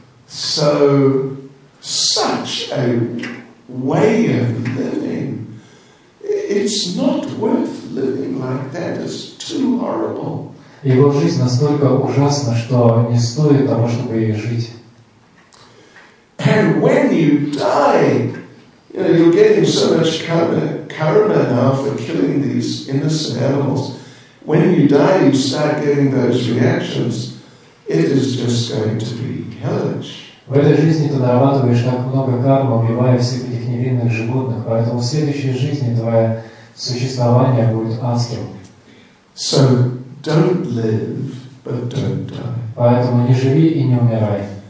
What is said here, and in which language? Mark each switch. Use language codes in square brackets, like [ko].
[en] So, such a way of living. It's not worth living like that. It's too horrible. [ru] Его жизнь настолько ужасна, что не стоит того, чтобы ей жить. [en] And when you die, you know, you're getting so much karma now for killing these innocent animals. When you die, you start getting those reactions. It is just going to be hellish. [ru] В этой жизни ты нарабатываешь так много кармы, убивая всех этих невинных животных, поэтому в следующей жизни твое существование будет адским. [en] So don't live, but don't die. [ru] Поэтому не живи и не умирай.